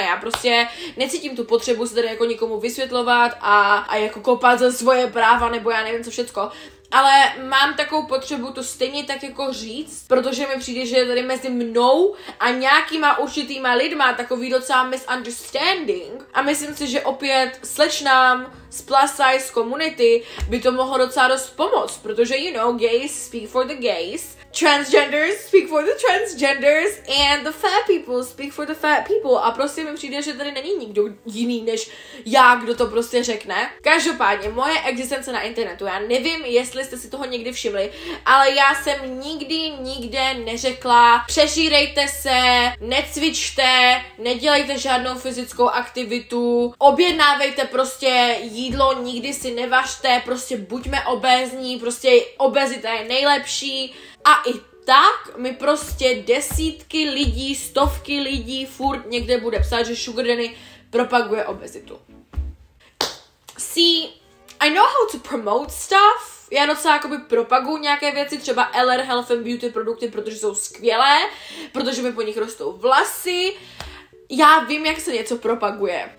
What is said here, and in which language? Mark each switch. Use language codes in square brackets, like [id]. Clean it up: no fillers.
[cs] Já prostě necítím tu potřebu se tady jako nikomu vysvětlovat a jako kopat za svoje práva nebo já nevím co všecko, ale mám takovou potřebu to stejně tak jako říct, protože mi přijde, že je tady mezi mnou a nějakýma určitýma lidma takový docela misunderstanding a myslím si, že opět slečnám z plus size community by to mohlo docela dost pomoct, protože [en] you know, gays speak for the gays. Transgenders speak for the transgenders and the fat people speak for the fat people. [cs] A prostě mi přijde, že tady není nikdo jiný než já, kdo to prostě řekne. Každopádně, moje existence na internetu, já nevím, jestli jste si toho někdy všimli, ale já jsem nikde neřekla přežírejte se, necvičte, nedělejte žádnou fyzickou aktivitu, objednávejte prostě jídlo, nikdy si nevažte, prostě buďme obézní, prostě obezita je nejlepší. A i tak mi prostě desítky lidí, stovky lidí furt někde bude psát, že Sugar Danny propaguje obezitu. [en] See, I know how to promote stuff. [cs] Já docela jakoby propaguju nějaké věci, třeba LR Health and Beauty produkty, protože jsou skvělé, protože mi po nich rostou vlasy. Já vím, jak se něco propaguje.